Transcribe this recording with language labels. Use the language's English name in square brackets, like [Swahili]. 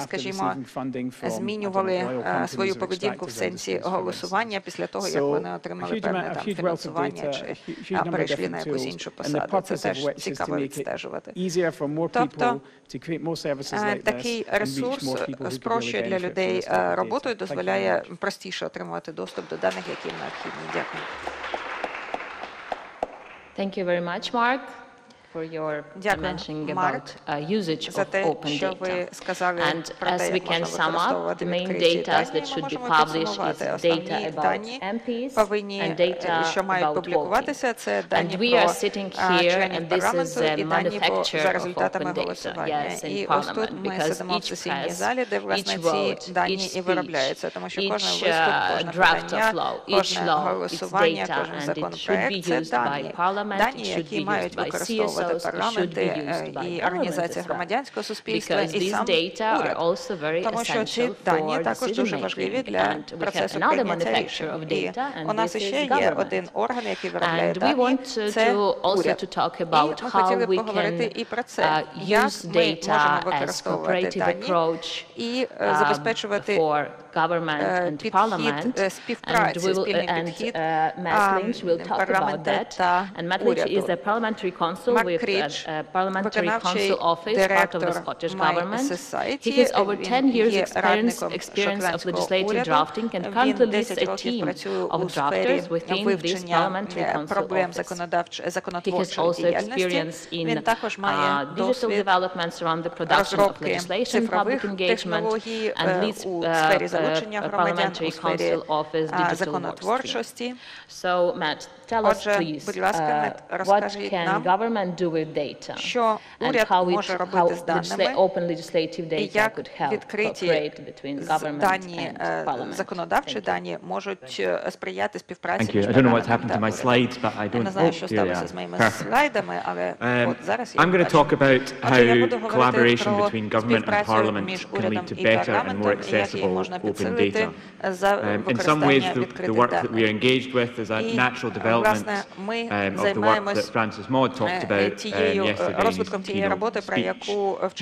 [Ukrainian] скажімо, змінювали свою поведінку в сенсі голосування після того, як вони отримали певне там фінансування чи перейшли на якусь іншу посаду. Це теж цікаво відстежувати. Тобто, такий ресурс спрощує для людей роботу і дозволяє простіше отримувати доступ до даних, які їм необхідні. Дякую. [English] Thank you very much, Mark, for your mentioning about usage of open data. And as we can sum up, the main data that should be published is data about MPs and data about voting. And we are sitting here, and this is the manufacture of open data, yes, in Parliament, because each press, each vote, each speech, each draft of law, each law is data, and it should be used by Parliament, it should be used by CSO, [Ukrainian] парламенти і організації громадянського суспільства, і сам уряд. Тому що ці дані також дуже важливі для процесу прийняття рішення. У нас ще є один орган, який виробляє дані, це уряд. І ми хотіли поговорити і про це, як ми можемо використовувати дані і забезпечувати [English] government and parliament, and Matt Lynch will talk about that, and Matt Lynch is a parliamentary consul with a parliamentary council office, part of the Scottish government. He has over 10 years experience of legislative drafting and currently leads a team of drafters within this parliamentary council office. He has also experience in digital developments around the production of legislation, public engagement, and leads Parliamentary Council Office Digital Work Stream. So, Matt, tell us, please, what can government do with data? And how open legislative data could help cooperate between government and parliament? [Ukrainian] Законодавчі дані можуть сприяти співпраці. [English] Thank you. I don't know what's happened to my slides, but I don't know [Ukrainian] що сталося з моїми слайдами, але зараз [English] I'm going to talk about how collaboration between government and parliament can lead to better and more accessible open data. In some ways, the work that we are engaged with is a natural development of the work that Francis Maud talked about yesterday in his keynote speech.